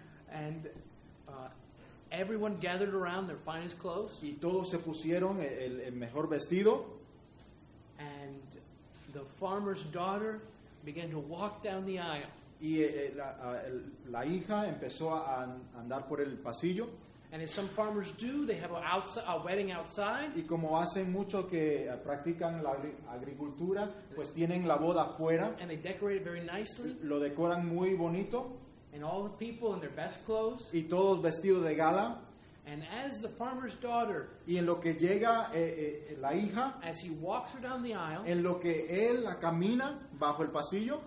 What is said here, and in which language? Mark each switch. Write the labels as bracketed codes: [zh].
[en] And everyone gathered around their finest clothes. [es] Y todos se pusieron el mejor vestido. [en] And the farmer's daughter began to walk down the aisle. [es] Y la hija empezó a andar por el pasillo. [en] And as some farmers do, they have a wedding outside. [es] Y como hacen mucho que practican la agricultura, pues tienen la boda afuera. [en] And they decorate it very nicely. [es] Lo decoran muy bonito. [en] And all the people in their best clothes. [es] Y todos vestidos de gala. [en] And as the farmer's daughter. [es] Y en lo que llega la hija. [en] As he walks her down the aisle. [es] En lo que él la camina bajo el pasillo.